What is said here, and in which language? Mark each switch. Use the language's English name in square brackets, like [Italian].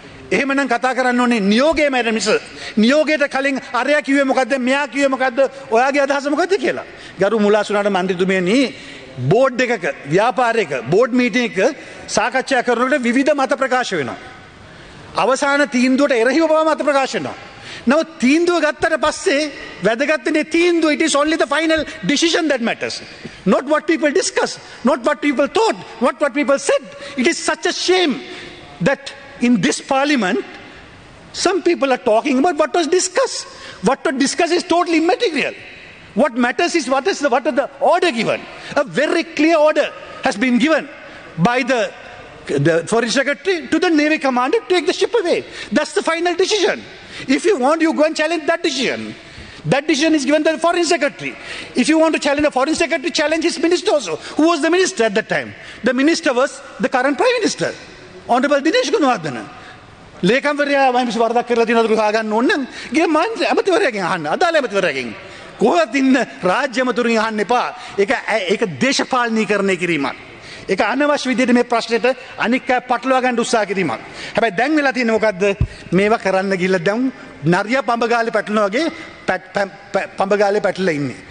[Sinhala] එහෙමනම් කතා කරන්න ඕනේ නියෝගයේම ඇර මිස නියෝගයට කලින් අරයා කිව්වේ මොකද්ද, මෙයා කිව්වේ මොකද්ද, ඔයාගේ අදහස මොකද්ද කියලා. ගරු මුලාසුනාට මන්ත්‍රීතුමියනි බෝඩ් එකක, ව්‍යාපාරයක බෝඩ් මීටින් එකක සාකච්ඡා කරනකොට විවිධ මත ප්‍රකාශ වෙනවා. අවසාන තීන්දුවට එරෙහිව බව මත ප්‍රකාශ වෙනවා. නව තීන්දුව ගත්තට පස්සේ වැදගත් වෙන්නේ තීන්දුව, [English] it is only the final decision that matters, not what people discuss, not what people thought, not what people said. It is such a shame that in this parliament some people are talking about what was discussed. What to discuss is totally immaterial. What matters is what is the order given. A very clear order has been given by the foreign secretary to the navy commander to take the ship away. That's the final decision. If you want, you go and challenge that decision. That decision is given by the foreign secretary. If you want to challenge the foreign secretary, challenge his minister also. Who was the minister at that time? The minister was the current prime minister, Honorable Dinesh Gunawardana. [Sinhala] ලේකම්වරයා vice වරදක් කරලා තියෙනවද කියලා අහගන්න ඕන නම් ගිය මන්ත්‍රී අමතිවරයාගෙන් අහන්න, අදාළ අමතිවරයාගෙන්. කොහොමද ඉන්න රාජ්‍යමතුරුන් අහන්න එපා. ඒක දේශපාලනීකරණය කිරීමක්. ඒක අනවශ්‍ය විදිහට මේ ප්‍රශ්නෙට අනික් අය පටලවා ගන්න උත්සාහ කිරීමක්. හැබැයි දැන් වෙලා තියෙන්නේ මොකද්ද? මේවා කරන්න ගිහලා දැන් නරියා පඹගාලේ පැටලන වගේ පඹගාලේ පැටලලා ඉන්නේ.